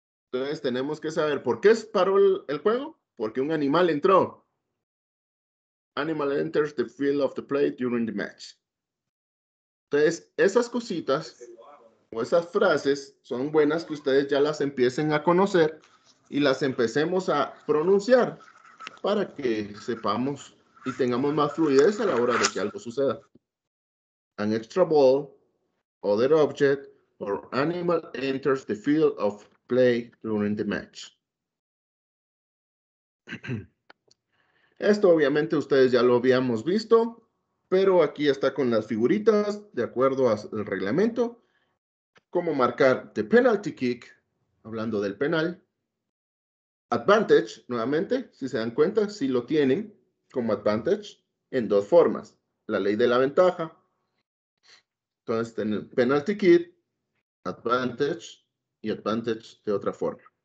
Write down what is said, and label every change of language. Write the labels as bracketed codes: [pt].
[es] Entonces tenemos que saber por qué paró el juego. Porque un animal entró. [en] Animal enters the field of the play during the match. [es] Entonces esas cositas o esas frases son buenas que ustedes ya las empiecen a conocer y las empecemos a pronunciar para que sepamos y tengamos más fluidez a la hora de que algo suceda. [en] An extra ball. Other object or animal enters the field of play during the match. [es] Esto obviamente ustedes ya lo habíamos visto, pero aquí está con las figuritas, de acuerdo al reglamento, cómo marcar the penalty kick, hablando del penal, advantage, nuevamente, si se dan cuenta, si lo tienen como advantage, en dos formas, la ley de la ventaja, entonces en el penalty kick, advantage y advantage de otra forma.